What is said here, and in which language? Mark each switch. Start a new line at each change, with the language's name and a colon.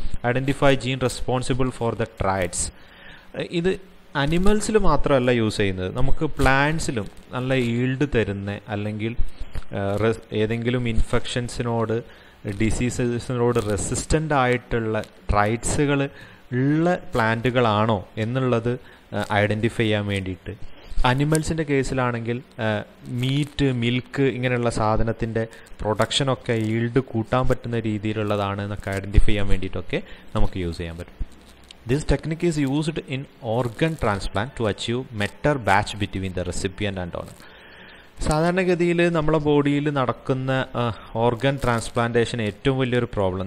English: Identify gene responsible for the traits.
Malayalam: ഇത് അനിമൽസിൽ മാത്രമല്ല use ചെയ്യുന്നത്, നമുക്ക് പ്ലാന്റ്സിലും നല്ല ഈൽഡ് തരുന്ന അല്ലെങ്കിൽ ഏതെങ്കിലും ഇൻഫെക്ഷൻസിനോട് ഡിസീസസിനോട് റെസിസ്റ്റൻ്റ് ആയിട്ടുള്ള ട്രൈറ്റ്സുകൾ ഉള്ള പ്ലാന്റുകളാണോ എന്നുള്ളത് ഐഡൻറ്റിഫൈ ചെയ്യാൻ വേണ്ടിയിട്ട്. അനിമൽസിൻ്റെ കേസിലാണെങ്കിൽ മീറ്റ്, മിൽക്ക് ഇങ്ങനെയുള്ള സാധനത്തിൻ്റെ പ്രൊഡക്ഷനൊക്കെ ഈൽഡ് കൂട്ടാൻ പറ്റുന്ന രീതിയിലുള്ളതാണ് എന്നൊക്കെ ഐഡൻറ്റിഫൈ ചെയ്യാൻ വേണ്ടിയിട്ടൊക്കെ നമുക്ക് യൂസ് ചെയ്യാൻ പറ്റും.
English: This technique is used in organ transplant to achieve better batch between the recipient and donor.
Malayalam: സാധാരണഗതിയിൽ നമ്മുടെ ബോഡിയിൽ നടക്കുന്ന ഓർഗൻ ട്രാൻസ്പ്ലാന്റേഷൻ ഏറ്റവും വലിയൊരു പ്രോബ്ലം.